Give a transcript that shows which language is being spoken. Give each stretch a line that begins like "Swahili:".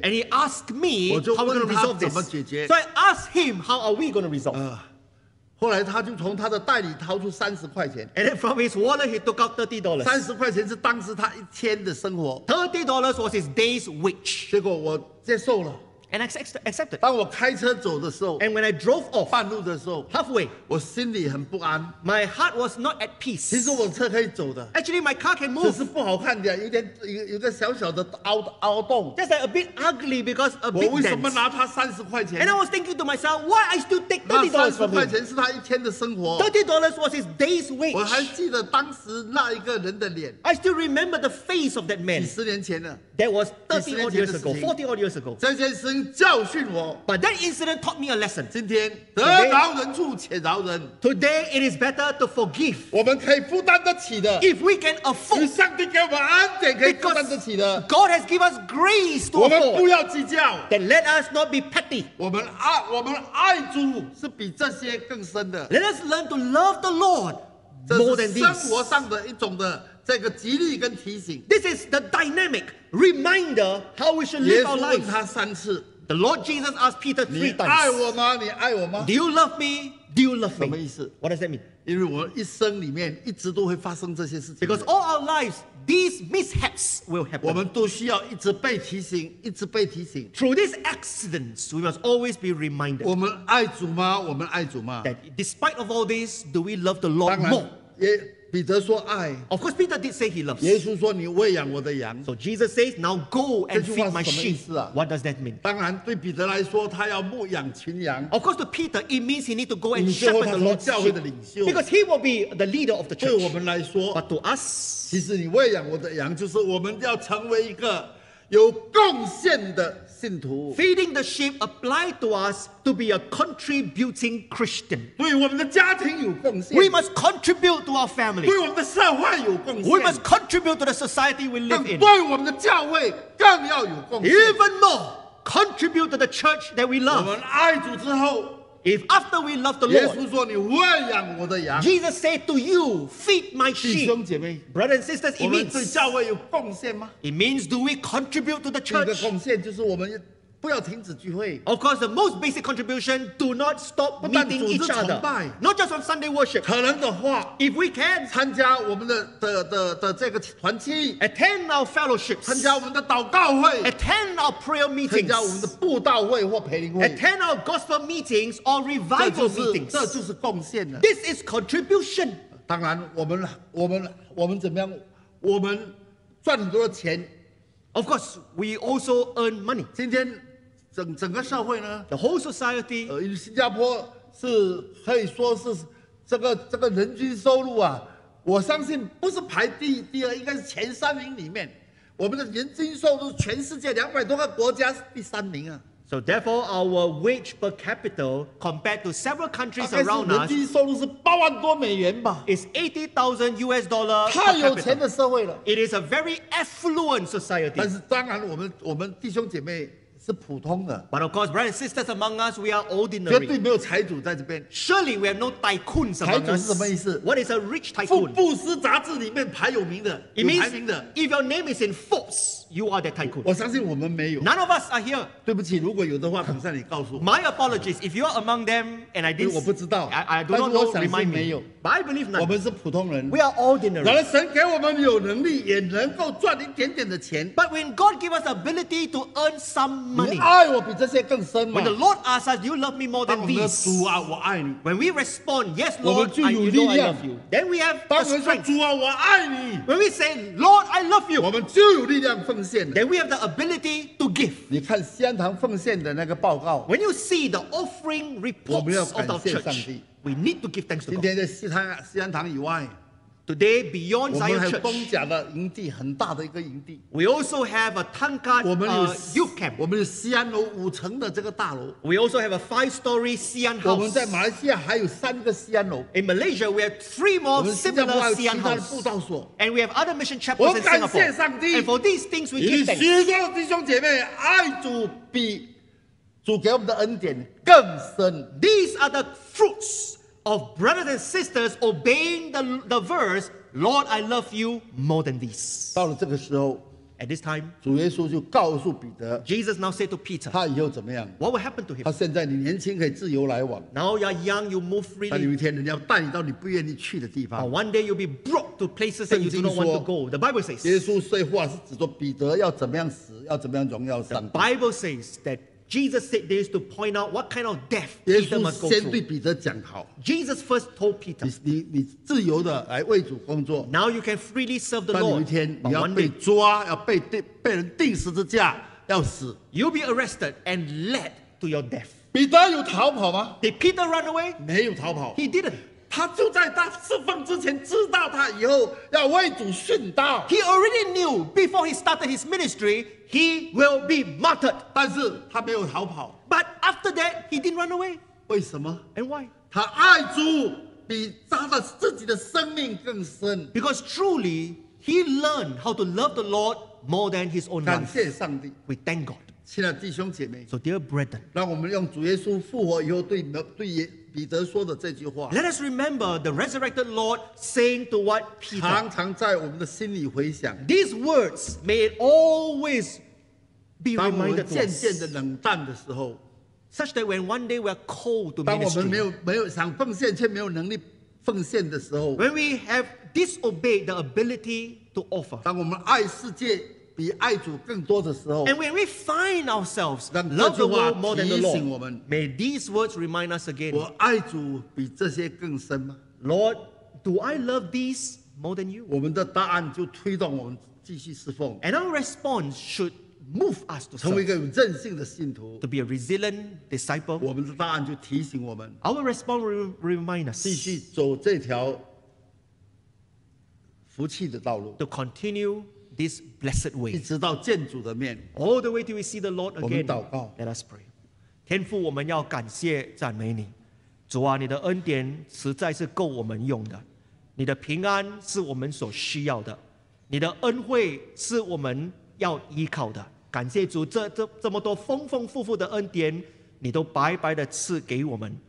English: And he asked me how we're going to resolve this.
Chinese: 怎么解决
English: ？So I asked him how are we going to resolve.
Chinese: 后来他就从他的袋里掏出$30。
English: And then from his wallet, he took out $30.
Chinese: 三十块钱是当时他一天的生活。
English: $30 was his day's wage.
Chinese: 结果我接受了。
English: and accepted.
Chinese: 当我开车走的时候
English: ，and when I drove off，
Chinese: 半路的时候
English: ，halfway，
Chinese: 我心里很不安。
English: My heart was not at peace。
Chinese: 其实我车可以走的。
English: Actually, my car can move。
Chinese: 只是不好看点，有个小小的凹洞。
English: Just like a bit ugly because a bit.
Chinese: 我为什么拿他30块钱
English: ？And I was thinking to myself, why I still take $30 from him？
Chinese: 那三十块钱是他一天的生活。
English: $30 was his day's wage。
Chinese: 我还记得当时那一个人的脸。
English: I still remember the face of that man。
Chinese: 几十年前了。
English: That was 30 odd years ago.
Chinese: 这件事教训我。
English: But that incident taught me a lesson.
Chinese: 今天得饶人处且饶人。
English: Today it is better to forgive.
Chinese: 我们可以负担得起的。
English: If we can afford.
Chinese: 上帝给我们恩典可以负担得起的。
English: God has given us grace to afford.
Chinese: 我们不要计较。
English: Then let us not be petty.
Chinese: 我们爱主是比这些更深的。
English: Let us learn to love the Lord more than this.
Chinese: 这是生活上的一种的。这个激励跟提醒
English: This is the dynamic reminder how we should live our lives.
Chinese: 耶稣问他三次
English: The Lord Jesus asked Peter three times.
Chinese: 你爱我吗？你爱我吗
English: ？Do you love me? Do you love me?
Chinese: 什么意思
English: ？What does that mean?
Chinese: 因为我一生里面一直都会发生这些事情。
English: Because all our lives, these mishaps will happen.
Chinese: 我们都需要一直被提醒，一直被提醒。
English: Through these accidents, we must always be reminded.
Chinese: 我们爱主吗？我们爱主吗
English: ？That despite of all this, do we love the Lord more?
Chinese: 彼得说爱
English: Of course, Peter did say he loves.
Chinese: 耶稣说你喂养我的羊
English: So Jesus says, now go and feed my sheep.
Chinese: 这句话什么意思啊
English: What does that mean?
Chinese: 当然对彼得来说他要牧养群羊
English: Of course, to Peter, it means he needs to go and shepherd the Lord's sheep. Because he will be the leader of the church.
Chinese: 对我们来说
English: But to us,
Chinese: 其实你喂养我的羊就是我们要成为一个有贡献的信徒
English: Feeding the sheep applied to us to be a contributing Christian.
Chinese: 对我们的家庭有贡献
English: We must contribute to our family.
Chinese: 对我们的社会有贡献
English: We must contribute to the society we live in.
Chinese: 对我们的教会更要有贡献
English: Even more, contribute to the church that we love.
Chinese: 我们爱主之后
English: If after we love the Lord,
Chinese: 耶稣说你喂养我的羊
English: Jesus said to you, feed my sheep.
Chinese: 弟兄姐妹
English: Brothers and sisters, it means
Chinese: 我们对教会有贡献吗
English: It means do we contribute to the church?
Chinese: 你的贡献就是我们不要停止聚会
English: Of course, the most basic contribution, do not stop meeting each other. Not just on Sunday worship.
Chinese: 可能的话
English: If we can,
Chinese: 参加我们的这个团契
English: Attend our fellowships.
Chinese: 参加我们的祷告会
English: Attend our prayer meetings.
Chinese: 参加我们的布道会或培灵会
English: Attend our gospel meetings or revival meetings.
Chinese: 这就是贡献了
English: This is contribution.
Chinese: 当然我们怎么样我们赚很多的钱
English: Of course, we also earn money.
Chinese: 今天整个社会呢
English: ？The whole society.
Chinese: 新加坡是可以说是这个人均收入啊，我相信不是排第二，应该是前三名里面。我们的人均收入全世界200多个国家是第三名啊。
English: So therefore, our wage per capita compared to several countries around us.
Chinese: 人均收入是8万多美元吧
English: ？It's $80,000 per
Chinese: capita. 太有钱的社会了。
English: It is a very affluent society.
Chinese: 但是当然，我们弟兄姐妹是普通的。
English: But of course, brothers and sisters among us, we are ordinary.
Chinese: 绝对没有财主在这边。
English: Surely we have no tycoons among us.
Chinese: 财主是什么意思
English: ？What is a rich tycoon?
Chinese: 福布斯杂志里面排有名的，
English: It means
Chinese: 有排名的。
English: If your name is in Forbes. You are that tycoon.
Chinese: 我相信我们没有。
English: None of us are here.
Chinese: 对不起，如果有的话，恐吓你告诉我。
English: My apologies. If you are among them, and I didn't,
Chinese: 我不知道。
English: I do not know.
Chinese: 但是我相信没有。
English: But I believe none.
Chinese: 我们是普通人。
English: We are ordinary.
Chinese: 然而神给我们有能力，也能够赚一点点的钱。
English: But when God gives us ability to earn some money,
Chinese: 你爱我比这些更深吗
English: ？When the Lord asks us, "Do you love me more than these?"
Chinese: 当我们说主啊，我爱你。
English: When we respond, "Yes, Lord, I do, I love you." Then we have the strength.
Chinese: 当我们说主啊，我爱你。
English: When we say, "Lord, I love you,"
Chinese: 我们就有力量奉。
English: Then we have the ability to give.
Chinese: 你看西安堂奉献的那个报告。
English: When you see the offering reports of our church, we need to give thanks to God.
Chinese: 今天在西安堂以外
English: ，today beyond Zion Church,
Chinese: 我们还有东甲的营地，很大的一个营地。
English: We also have a Tangka youth camp.
Chinese: 我们有西安楼5层的这个大楼。
English: We also have a 5-story 西安 house.
Chinese: 我们在马来西亚还有3个西安楼。
English: In Malaysia, we have 3 more similar 西安 house. And we have other mission chapels in Singapore.
Chinese: 我感谢上帝。
English: And for these things, we give thanks.
Chinese: 与许多弟兄姐妹爱主比主给我们的恩典更深。
English: These are the fruits. Of brothers and sisters obeying the verse, Lord, I love you more than this.
Chinese: 到了这个时候
English: at this time,
Chinese: 主耶稣就告诉彼得
English: Jesus now said to Peter,
Chinese: 他以后怎么样
English: What will happen to him?
Chinese: 他现在你年轻可以自由来往
English: Now you are young, you move freely.
Chinese: 但有一天人家带你到你不愿意去的地方
English: One day you'll be brought to places that you do not want to go. The Bible says,
Chinese: 耶稣说话是指着彼得要怎么样死，要怎么样荣耀上帝
English: The Bible says that Jesus said this to point out what kind of death Peter must go through. Jesus first told Peter,
Chinese: 你自由地来为主工作,
English: now you can freely serve the Lord.
Chinese: 但有一天你要被抓, 要被人钉十字架, 要死,
English: you'll be arrested and led to your death.
Chinese: 彼得有逃跑吗?
English: Did Peter run away?
Chinese: 没有逃跑,
English: he didn't.
Chinese: 他就在他释放之前知道他以后要为主殉道。
English: He already knew before he started his ministry, he will be martyred.
Chinese: 但是他没有逃跑。
English: But after that, he didn't run away.
Chinese: 为什么?
English: And why?
Chinese: 他爱主比他的自己的生命更深。
English: Because truly, he learned how to love the Lord more than his own life.
Chinese: 感谢上帝。
English: We thank God.
Chinese: 亲爱的弟兄姐妹,
English: so dear brethren,
Chinese: 让我们用主耶稣复活以后对彼得说的这句话,
English: let us remember the resurrected Lord saying to what Peter,
Chinese: 常常在我们的心里回想,
English: these words may it always be reminded to us.
Chinese: 当我们渐渐的冷淡的时候,
English: such that when one day we are cold to ministry,
Chinese: 当我们没有想奉献却没有能力奉献的时候,
English: when we have disobeyed the ability to offer,
Chinese: 当我们爱世界,
English: and when we find ourselves love the world more than the Lord, may these words remind us again, Lord, do I love these more than you? And our response should move us to serve, to be a resilient disciple. Our response will remind us to continue this blessed way, all the way till we see the Lord again. Let us pray.
Chinese: 天父, 我们要感谢, 赞美你。主啊, 你的恩典, 实在是够我们用的。你的平安, 是我们所需要的。你的恩惠, 是我们要依靠的。感谢主, 这么多丰丰富富的恩典, 你都白白地赐给我们。